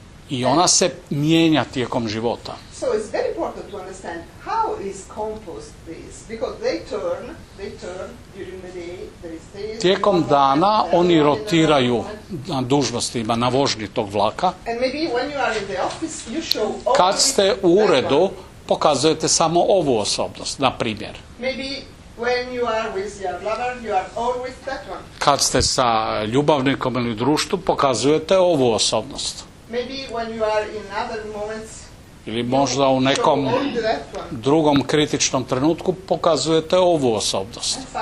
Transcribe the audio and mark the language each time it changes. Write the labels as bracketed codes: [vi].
[hr] I ona se mijenja tijekom života. [en] So it's very important to understand how is composed this? Because they turn during the day, there is this. [hr] Tijekom dana oni rotiraju na dužnostima na vožnji tog vlaka. [en] And maybe when you are in the office, you show all. [hr] Kad ste u uredu, pokazujete samo ovu osobnost, na primjer. [en] Maybe when you are with your lover, you are always that one. [hr] Kad ste sa ljubavnikom ili društvu, pokazujete ovu osobnost. [en] Maybe when you are in other moments. [hr] Ili možda u nekom drugom kritičnom trenutku pokazujete ovu osobnost.